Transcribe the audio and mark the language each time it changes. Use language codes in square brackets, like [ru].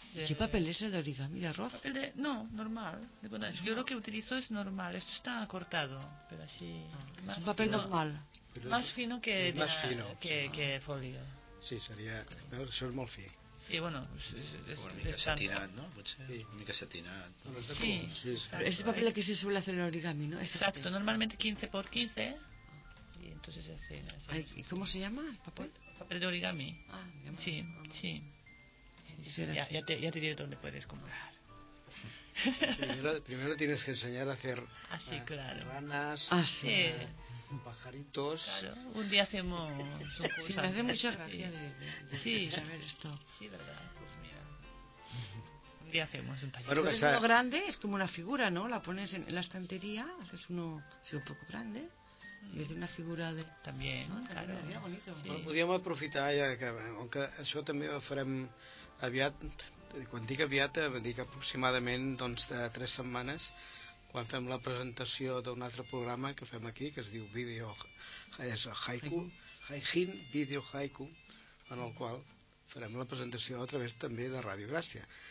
[es] ¿Qué papel es el de origami? ¿De arroz? Papel de, no, normal. Yo lo que utilizo es normal, esto está cortado, pero así... Ah, es un papel normal. Más fino que que folio. [ca] Sí, seria, veure, això és molt fi. [es] Sí, bueno, [ca] és satinat, no? Potser, sí. Una mica satinat. [es] Sí, este papel que se suele hacer en origami, ¿no? Exacto, normalmente 15x15. Y entonces se hace así. ¿Y cómo se llama el papel? Papel de origami. Ah, sí, sí. Ya te diré dónde puedes comprar. Primero tienes que enseñar a hacer ranas. Ah, sí. Pajaritos. Claro, un día hacemos un curso. Sí, me hace mucha gracia de saber esto. Sí, verdad. Pues mira. día hacemos un taller. Bueno, pues, uno grande es como una figura, ¿no? La pones en la estantería, haces uno si un poco grande. [ca] I és una figura de... també, no? Claro. Sí. Bueno, podríem aprofitar ja que, com que això també ho farem aviat, quan dic aviat dic aproximadament doncs, de 3 setmanes quan fem la presentació d'un altre programa que fem aquí que es diu Video és Haiku, Haijin Video Haiku, en el qual farem la presentació a través també de Ràdio Gràcia.